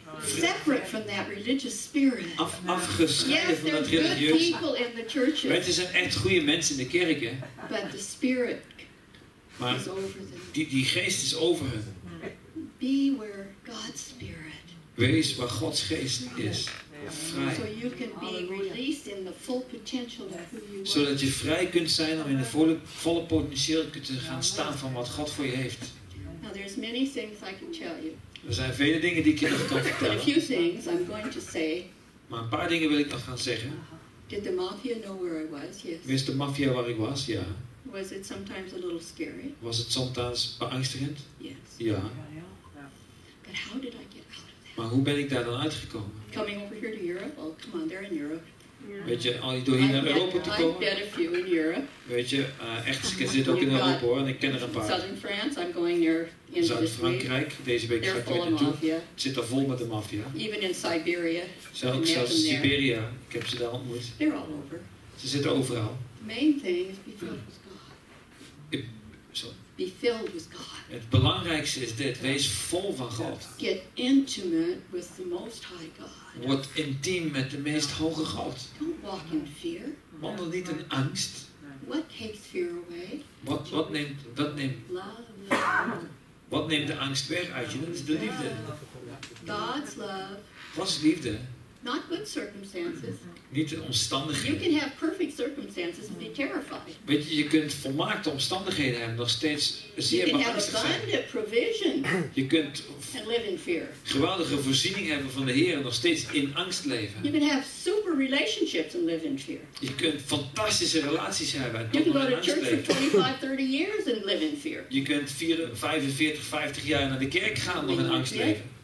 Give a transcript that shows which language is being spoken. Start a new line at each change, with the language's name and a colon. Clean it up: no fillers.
English: Separate from that religious spirit.
Dutch: Afgescheiden van dat religieuze. Het zijn echt goede mensen in de kerken.
English: But the spirit maar is over them.
Dutch: Die geest is over hen.
English: Be where God's spirit.
Dutch: Wees waar Gods geest is. Vrij.
English: So you can be released in the full potential of who you are.
Dutch: Zodat je vrij kunt zijn om in de volle potentieel te gaan staan van wat God voor je heeft.
English: There's many things I can tell you.
Dutch: Er zijn vele dingen die ik je nog kan vertellen.
English: A few things I'm going to say.
Dutch: Maar een paar dingen wil ik nog gaan zeggen.
English: Did the mafia know where I was? Yes.
Dutch: Wist de maffia waar ik was? Ja.
English: Was it sometimes a little scary?
Dutch: Was het soms beangstigend?
English: Yes.
Dutch: Ja.
English: But how did I get out of that?
Dutch: Maar hoe ben ik daar dan uitgekomen?
English: Coming over here to Europe? Oh, come on, they're in Europe. Yeah.
Dutch: Weet je, al door hier naar Europa te komen.
English: I've met a few in Europe.
Dutch: Weet je, echt, ik zit ook in Europa hoor, en ik ken er een paar.
English: Southern France, I'm going near in
Dutch: Zuid-Frankrijk, deze week
English: They're
Dutch: ga ik weer naartoe. Het zit er vol met de maffia.
English: Even in Siberia.
Dutch: Zelfs in Siberia, ik heb ze daar ontmoet.
English: They're all over.
Dutch: Ze zitten overal.
English: The main thing is be filled with God. Be filled with God.
Dutch: Het belangrijkste is dit, wees vol van God.
English: Get intimate with the Most High God.
Dutch: Word intiem met de meest hoge God.
English: Don't walk in fear.
Dutch: Wandel niet in angst.
English: What takes fear away?
Dutch: Wat neemt
English: love.
Dutch: Wat neemt de angst weg uit je? Dat is de liefde.
English: God's love.
Dutch: Gods liefde.
English: Not good circumstances.
Dutch: Niet de omstandigheden.
English: You can have perfect circumstances and be terrified.
Dutch: Weet je, je kunt volmaakte omstandigheden hebben, nog steeds zeer beangstigd zijn. Je kunt geweldige voorziening hebben van de Heer en nog steeds in angst leven.
English: You can have super relationships and live in fear.
Dutch: Je kunt fantastische relaties hebben en
English: you
Dutch: toch nog in angst leven.
English: For 25, 30 years and live in fear.
Dutch: Je kunt 45, 50 jaar naar de kerk gaan nog in angst leven.